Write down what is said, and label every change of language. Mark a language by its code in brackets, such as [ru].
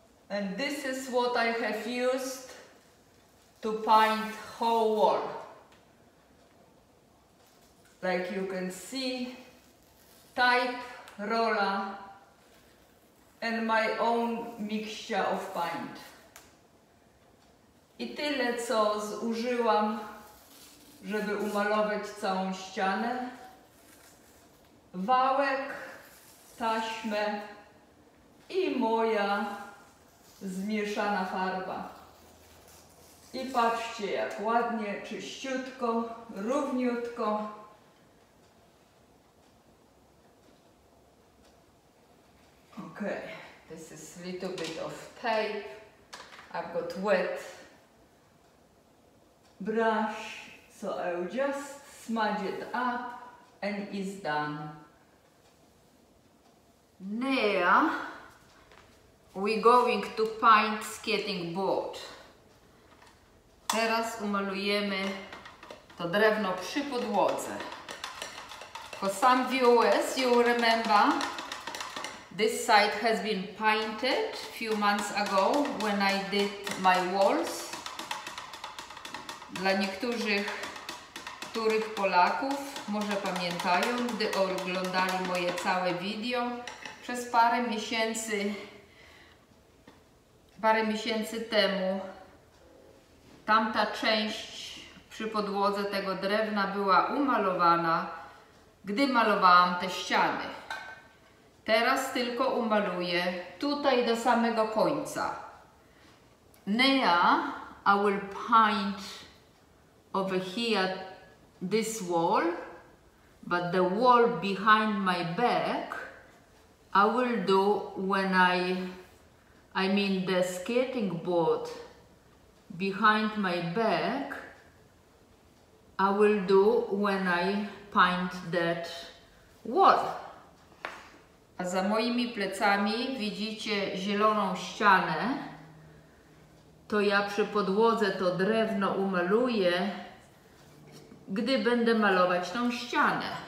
[en] And this is what I have used to paint whole wall. Like you can see, type, roller, and my own mixture of paint. [pl] I tyle, co zużyłam, żeby umalować całą ścianę. Wałek, taśmę i moja zmieszana farba. I patrzcie, jak ładnie, czyściutko, równiutko. [en] Okay, this is a little bit of tape. I've got wet brush, so I'll just smudge it up and it's done. Now we're going to paint skating board. [pl] Teraz umalujemy to drewno przy podłodze. [en] For some viewers, you will remember this side has been painted a few months ago when I did my walls. [pl] Dla niektórych, których Polaków może pamiętają, gdy oglądali moje całe video przez parę miesięcy. Parę miesięcy temu tamta część przy podłodze tego drewna była umalowana, gdy malowałam te ściany. Teraz tylko umaluję tutaj do samego końca. [en] Now I will paint over here this wall, but the wall behind my back I will do when I mean the skating board behind my back, I will do when I paint that wall. [pl] A za moimi plecami widzicie zieloną ścianę. To ja przy podłodze to drewno umaluję, gdy będę malować tą ścianę.